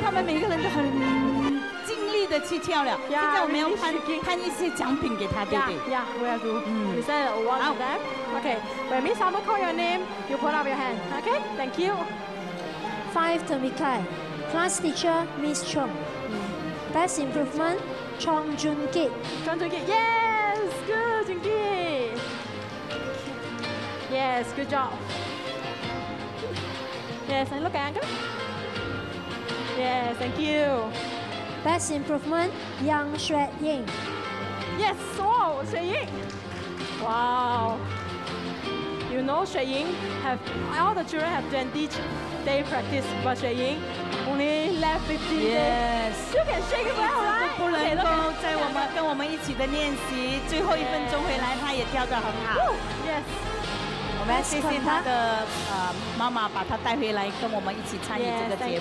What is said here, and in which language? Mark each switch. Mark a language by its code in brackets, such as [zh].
[zh] 他们每个人都很尽力的去跳了。现在我们要判一些奖品给他，对不对？ [en] Yeah, we are doing. We said one of them. Okay, when Miss Summer call your name, you put up your hand. Okay, thank you. Five to Mikai. Class teacher, Miss Chung. Best improvement, Chong Jun Ki. Chong Jun Ki, yes, good, Jun Ki. Yes, good job. Yes, and look at Anka. Yes, thank you. Best improvement, Yang Xue Ying. Yes, wow, Xue Ying. Wow. You know Xue Ying, all the children have 20 day practice, but Xue Ying only left 15 days. Yes. You can shake it well, right? [zh] 不能够在我们跟我们一起的练习最后一分钟回来，他也跳得很好。 Yes. 我们谢谢他的妈妈把他带回来跟我们一起参与这个节目。